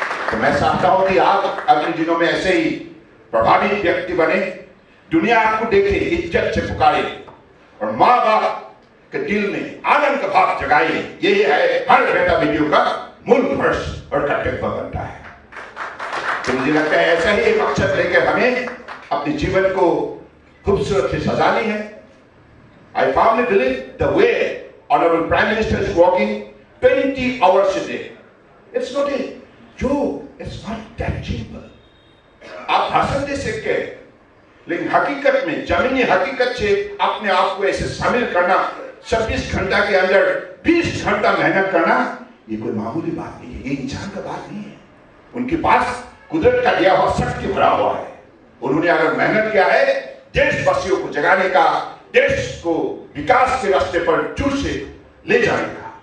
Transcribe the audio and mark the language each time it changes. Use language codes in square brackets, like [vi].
[hi] तो मैं चाहता हूं कि आप अगले दिनों में ऐसे ही प्रभावी व्यक्ति बने, दुनिया आपको देखे, इज्जत से पुकारे और मां बाप के दिल में आनंद का भाव जगाए। यही है हर बेटा बेटियों का मूल फर्श और कर्तव्य बनता है। मुझे लगता है ऐसा ही एक मकसद लेकर हमें अपने जीवन को खूबसूरत से सजानी है। [en] I firmly believe the way honorable Prime Minister is walking 20 hours a day, it's not a joke, it's not tangible. [hi] आप भाषण दे सकते हैं लेकिन हकीकत में, जमीनी हकीकत से अपने आप को ऐसे शामिल करना, 26 घंटा के अंदर 20 घंटा मेहनत करना, ये कोई मामूली बात नहीं है, ये इंसान का बात नहीं है। उनके पास कुदरत का दिया हुआ शक्ति भरा हुआ है, उन्होंने अगर मेहनत किया है देशवासियों को जगाने का, देश को विकास के रास्ते पर चूर से ले जाने का।